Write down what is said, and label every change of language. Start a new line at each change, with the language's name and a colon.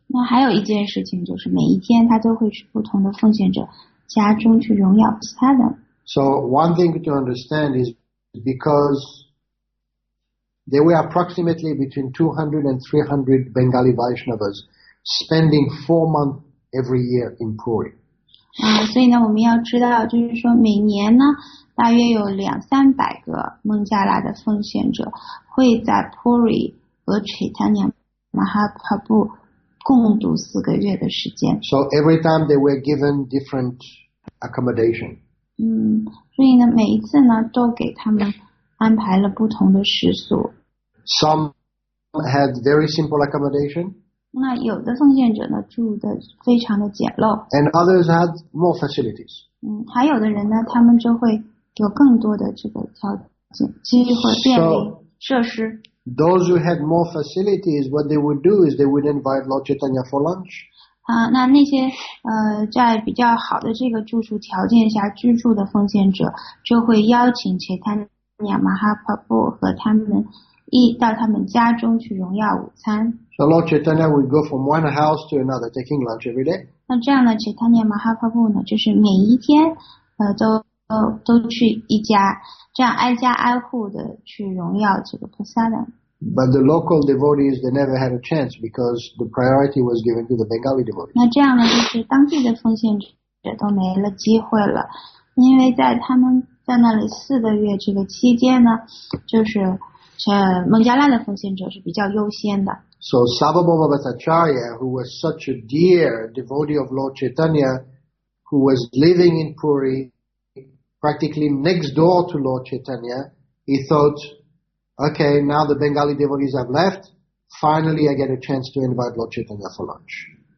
Chinese: 那还有一件事情就是每一天他都会去不同的奉献者家中去荣耀其他的。
English: So one thing to understand is because there were approximately between 200 and 300 Bengali Vaishnavas spending 4 months every year in Puri.
Chinese: 所以呢我们要知道就是说每年呢大约有两三百个孟加拉的奉献者会在 Puri 和 Chaitanya Mahaprabhu 共度四个月的时间。
English: So every time they were given different accommodation.
Chinese: 所以呢每一次呢都给他们安排了不同的食宿。
English: Some had very simple accommodation.
Chinese: 那有的奉献者呢住的非常的简陋
English: and others had more facilities.
Chinese: 还有的人呢他们就会有更多的这个条件机会便利设施
English: those who had more facilities, what they would do is they would invite Lord Chaitanya for lunch.
Chinese: 那些在比较好的这个住宿条件下居住的奉献者就会邀请 Chaitanya Mahaprabhu 和他们到他们家中去荣耀午餐。
English: So Lord Chaitanya would go from one house to another taking lunch every day.
Chinese: 那这样呢 Chaitanya Mahaprabhu 呢就是每一天都去一家这样挨家挨户的去荣耀这个菩萨的。
English: But the local devotees, they never had a chance because the priority was given to the Bengali devotees.
Chinese: 那这样呢就是当地的奉献者都没了机会了。因为在他们在那里四个月这个期间呢就是孟加拉的奉献者是比较优先的。
English: So Sabbabhava Bhattacharya, who was such a dear devotee of Lord Chaitanya, who was living in Puri, practically next door to Lord Chaitanya, he thought, okay, now the Bengali devotees have left, finally I get a chance to invite Lord Chaitanya for lunch.